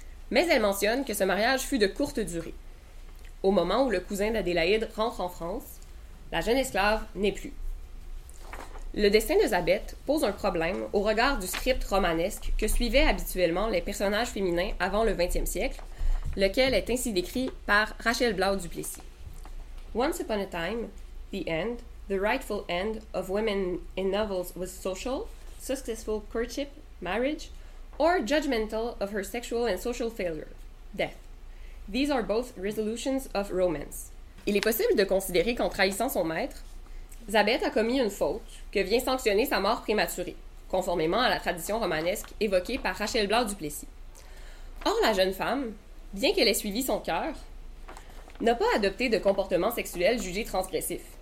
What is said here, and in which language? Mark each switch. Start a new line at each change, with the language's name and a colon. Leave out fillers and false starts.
French: Mais elle mentionne que ce mariage fut de courte durée. Au moment où le cousin d'Adélaïde rentre en France, la jeune esclave n'est plus. Le destin de Zabeth pose un problème au regard du script romanesque que suivaient habituellement les personnages féminins avant le 20e siècle, lequel est ainsi décrit par Rachel Blau Duplessis.
English: Once upon a time, the end, the rightful end of women in novels was social, successful courtship, marriage, or judgmental of her sexual and social failure, death. These are both resolutions of romance.
French: Il est possible de considérer qu'en trahissant son maître, Zabeth a commis une faute que vient sanctionner sa mort prématurée, conformément à la tradition romanesque évoquée par Rachel Blau Duplessis. Or, la jeune femme, bien qu'elle ait suivi son cœur, n'a pas adopté de comportement sexuel jugé transgressif.